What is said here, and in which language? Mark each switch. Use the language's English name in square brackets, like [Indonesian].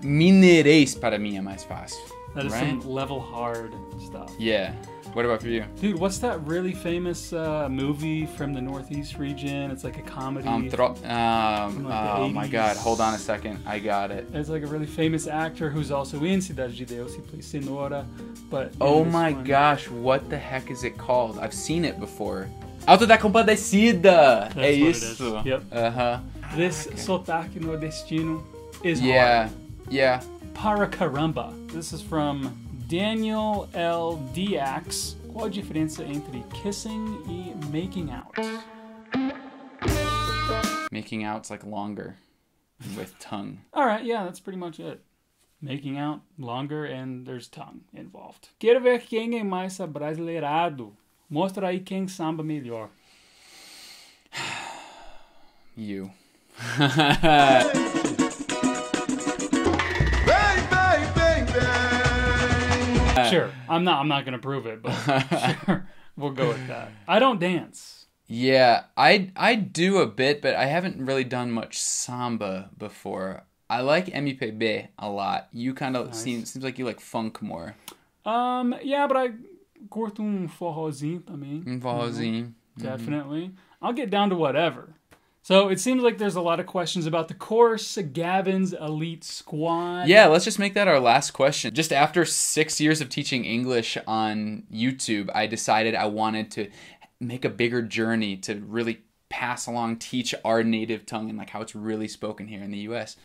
[Portuguese] Mineirês para mim é mais fácil. [English] That is some level hard stuff. Yeah. What about for you? Dude, what's that really famous movie from the Northeast region? It's like a comedy. My God. Hold on a second. I got it. It's like a really famous actor who's also in Cidade de Deus. He plays Senora. But oh my gosh. What the heck is it called? I've seen it before. Auto da Compadecida. That's what [Portuguese] isso. [English] It is. Yep. This [Portuguese] sotaque nordestino [English] is hard. Yeah. [Portuguese] Para caramba. [English] This is from... Daniel L. [Portuguese] Dx, qual a diferença entre kissing e making out? [English] Making out's like longer, with tongue. Alright, yeah, that's pretty much it. Making out, longer, and there's tongue involved. [Portuguese] Quero ver quem é mais abrasileirado. Mostra aí quem samba melhor. [English] You. Sure, I'm not gonna prove it, but sure, we'll go with that. I don't dance. Yeah, I do a bit, but I haven't really done much samba before. I like MPB a lot. You kind of seems like you like funk more. Yeah, but I [Portuguese] curto forrozinho também. Forrozinho. Mm-hmm. [English] Definitely. Mm-hmm. I'll get down to whatever. So it seems like there's a lot of questions about the course, Gavin's elite squad. Yeah, let's just make that our last question. Just after 6 years of teaching English on YouTube, I decided I wanted to make a bigger journey to really pass along, teach our native tongue and like how it's really spoken here in the US.